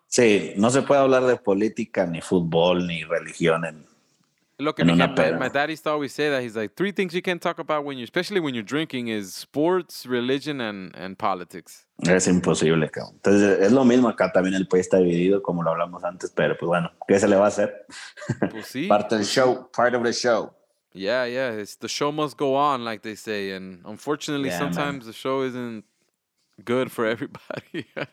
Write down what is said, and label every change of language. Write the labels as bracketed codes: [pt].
[es] Sí, no se puede hablar de política, ni fútbol, ni religión en... [en] Look, my dad used to always say that. He's like, three things you can't talk about especially when you're drinking is sports, religion, and politics. [es] Es imposible, cabrón. Entonces, es lo mismo acá. También el país está dividido, como lo hablamos antes. Pero, pues, bueno, ¿qué se le va a hacer? Pues, sí. [en] Part of the show. Yeah, yeah. It's the show must go on, like they say. And unfortunately, sometimes, man, the show isn't good for everybody.